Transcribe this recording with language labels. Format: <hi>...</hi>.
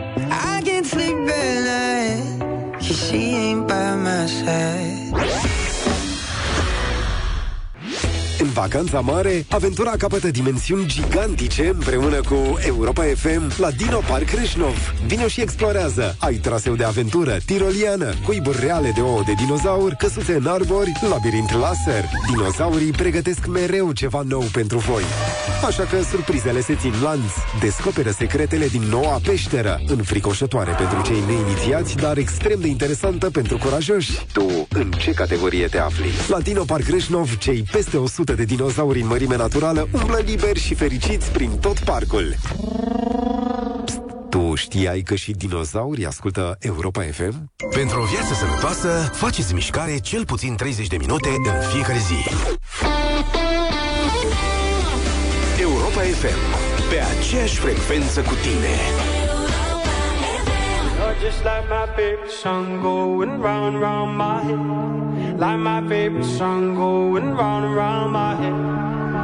<en>I can't sleep at night, she ain't by my side.</en> <ro>În vacanța mare, aventura capătă dimensiuni gigantice împreună cu Europa FM la Dino Park Râșnov. Vino și explorează! Ai traseu de aventură, tiroliană, cuiburi reale de ouă de dinozauri, căsuțe în arbori, labirint laser. Dinozaurii pregătesc mereu ceva nou pentru voi. Așa că surprizele se țin lanț. Descoperă secretele din noua peșteră, înfricoșătoare pentru cei neinițiați, dar extrem de interesantă pentru curajoși. Tu, în ce categorie te afli? La Dino Park Râșnov, cei peste 100 de dinozauri în mărime naturală umblă liberi și fericiți prin tot parcul. Psst, tu știai că și dinozauri ascultă Europa FM? Pentru o viață sănătoasă, faceți mișcare cel puțin 30 de minute în fiecare zi. Europa FM, pe aceeași frecvență cu tine.</ro> <en>Just like my favorite song going round and round my head. Like my favorite song going round and round my head.</en>